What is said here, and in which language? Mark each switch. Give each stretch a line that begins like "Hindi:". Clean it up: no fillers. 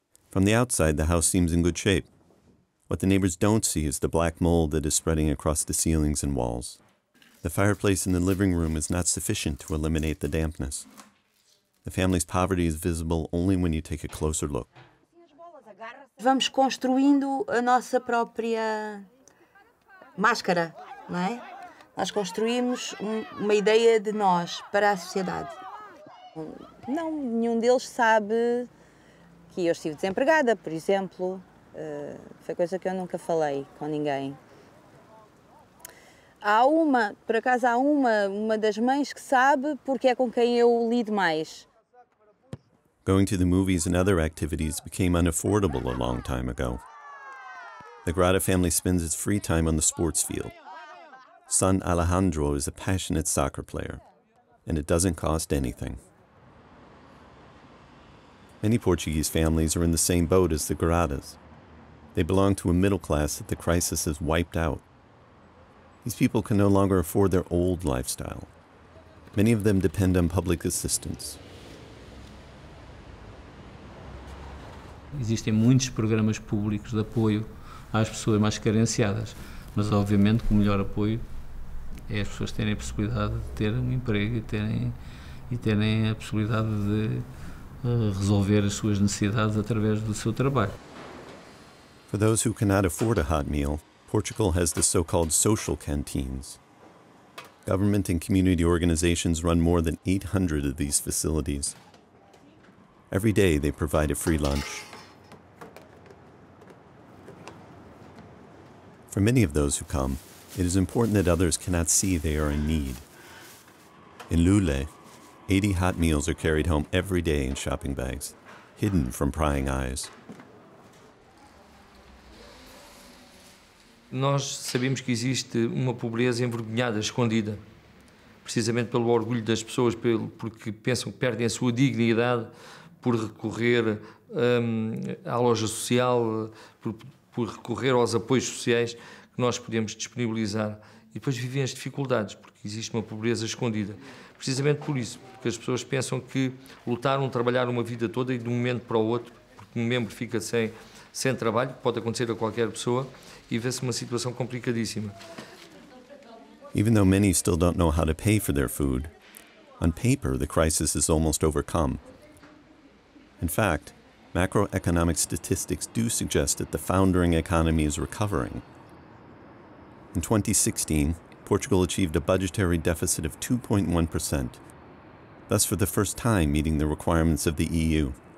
English: From the outside, the house seems in good shape. What the neighbors don't see is the black mold that is spreading across the ceilings and walls. The fireplace in the living room is not sufficient to eliminate the dampness. The family's poverty is visible only when you take a closer look.
Portuguese: Vamos construindo a nossa própria máscara, não é? Nós construímos uma ideia de nós para a sociedade. Não, nenhum deles sabe que eu estive desempregada, por exemplo. Foi coisa que eu nunca falei com ninguém. Há uma, por acaso há uma das mães que sabe porque é com quem eu lido mais.
English: Going to the movies and other activities became unaffordable a long time ago. The Grada family spends its free time on the sports field. Son Alejandro is a passionate soccer player, and it doesn't cost anything. Many Portuguese families are in the same boat as the Gradas. They belong to a middle class that the crisis has wiped out. These people can no longer afford their old lifestyle. Many of them depend on public assistance.
Portuguese: Existem muitos programas públicos de apoio às pessoas mais carenciadas, mas obviamente que o melhor apoio é as pessoas terem a possibilidade de ter um emprego e terem a possibilidade de resolver as suas necessidades através do seu trabalho.
English: For those who cannot afford a hot meal, Portugal has the so-called social canteens. Government and community organizations run more than 800 of these facilities. Every day they provide a free lunch. For many of those who come, it is important that others cannot see they are in need. In Lule, 80 hot meals are carried home every day in shopping bags, hidden from prying eyes.
Portuguese: Nós sabemos que existe uma pobreza envergonhada, escondida, precisamente pelo orgulho das pessoas, porque pensam que perdem a sua dignidade por recorrer à loja social, por recorrer aos apoios sociais que nós podemos disponibilizar. E depois vivem as dificuldades, porque existe uma pobreza escondida. Precisamente por isso, porque as pessoas pensam que lutaram, trabalharam uma vida toda e de um momento para o outro, porque um membro fica sem trabalho, pode acontecer a qualquer pessoa, e vê-se uma situação complicadíssima.
English: Even though many still don't know how to pay for their food, On paper, the crisis is almost overcome. In fact, macroeconomic statistics do suggest that the foundering economy is recovering. In 2016, Portugal achieved a budgetary deficit of 2.1%, thus for the first time meeting the requirements of the EU.